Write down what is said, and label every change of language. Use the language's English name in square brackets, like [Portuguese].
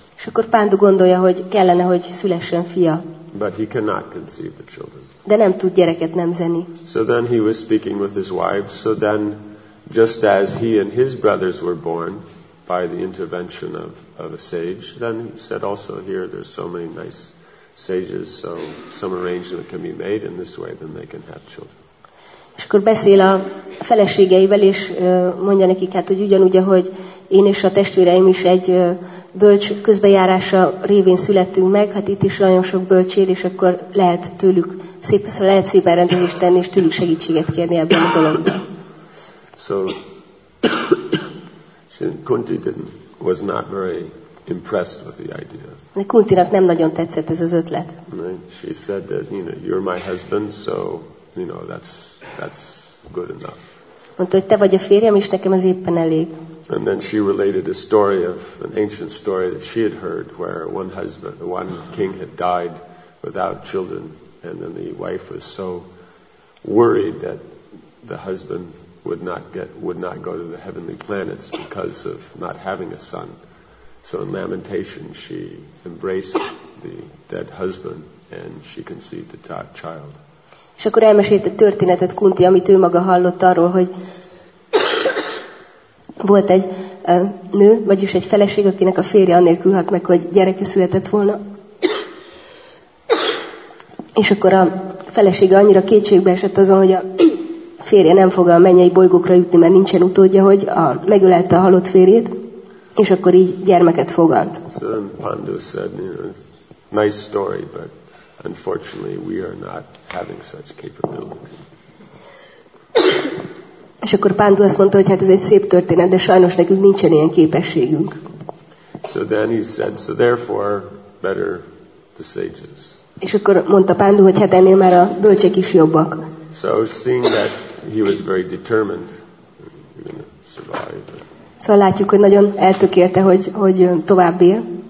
[Hungarian] És akkor Pándu gondolja, hogy kellene, hogy szülessen fia. [English] But he cannot conceive the children. [Hungarian] De nem tud gyereket nemzeni. [English] So then he was speaking with his wife. So then, just as he and his brothers were born by the intervention of a sage, then he said also here, there's so many nice sages, so some arrangement can be made in this way, then they can have children. [Hungarian] És akkor beszél a feleségeivel, és mondja nekik, hát, hogy ugyanúgy, ahogy én és a testvéreim is egy bölcs közbejárása révén születtünk meg, hát itt is nagyon sok bölcs él, és akkor lehet tőlük szépen, szóval lehet szépen rendelést tenni, és tőlük segítséget kérni ebben a dologban. [English] So, Kunti was not very impressed with the idea. [Hungarian] Kuntinak nem nagyon tetszett ez az ötlet. [English] She said that, you know, you're my husband, so, you know, that's good enough. [Hungarian] Mondta, hogy te vagy a férjem, és nekem az éppen elég. [English] And then she related a story of an ancient story that she had heard, where one husband, one king had died without children, and then the wife was so worried that the husband would not go to the heavenly planets because of not having a son. So in lamentation, she embraced the dead husband, and she conceived a child. [Hungarian] És akkor elmesélte történetet Kunti, amit ő maga hallott arról, hogy volt egy nő, vagyis egy feleség, akinek a férje anélkül halt meg, hogy gyereke született volna. És akkor a felesége annyira kétségbe esett azon, hogy a férje nem fog a mennyei bolygókra jutni, mert nincsen utódja, hogy megölelte a halott férjét, és akkor így gyermeket fogant. [English] So then Pandu said, you know, nice story, but unfortunately we are not having such capability. [Hungarian] És akkor Pándu azt mondta, hogy hát ez egy szép történet, de sajnos nekünk nincsen ilyen képességünk. [English] So then he said, so therefore better the sages. [Hungarian] És akkor mondta Pándu, hogy hát ennél már a bölcsek is jobbak. [English] So seeing that he was very determined to survive. [Hungarian] Szóval látjuk, hogy nagyon eltökélte, hogy tovább él.